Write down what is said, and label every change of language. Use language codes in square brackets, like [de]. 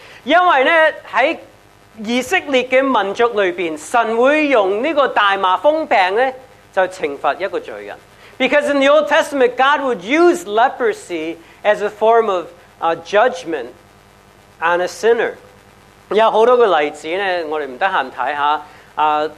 [zh] 因为呢在以色列的民族里面神会用这个大麻风病呢就惩罚一个罪人。 [en] Because in the Old Testament, God would use leprosy as a form of judgment on a sinner. [zh] 有很多个例子呢我们不用看看。